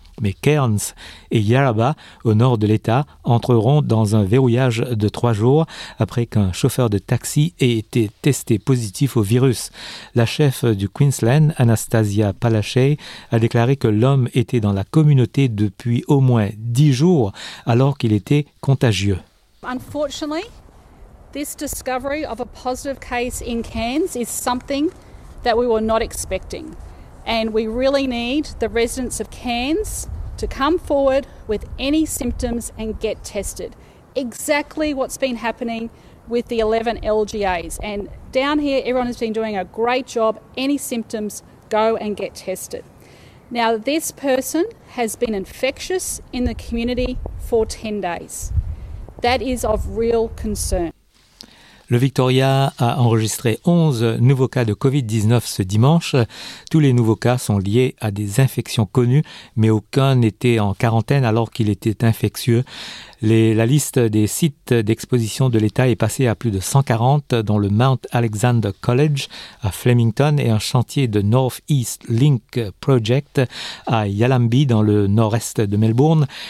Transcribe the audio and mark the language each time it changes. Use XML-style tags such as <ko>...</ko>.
<fr>mais Cairns et Yarraba, au nord de l'État, entreront dans un verrouillage de 3 jours après qu'un chauffeur de taxi ait été testé positif au virus. La chef du Queensland, Anastasia Palaszczuk, a déclaré que l'homme était dans la communauté depuis au moins 10 jours alors qu'il était contagieux.</fr> <en>Unfortunately, this discovery of a positive case in Cairns is something that we were not expecting. And we really need the residents of Cairns to come forward with any symptoms and get tested. Exactly what's been happening with the 11 LGAs. And down here, everyone has been doing a great job. Any symptoms, go and get tested. Now, this person has been infectious in the community for 10 days. That is of real concern.</en> <fr>Le Victoria a enregistré 11 nouveaux cas de COVID-19 ce dimanche. Tous les nouveaux cas sont liés à des infections connues, mais aucun n'était en quarantaine alors qu'il était infectieux. La liste des sites d'exposition de l'État est passée à plus de 140, dont le Mount Alexander College à Flemington et un chantier de North East Link Project à Yallambie, dans le nord-est de Melbourne.</fr>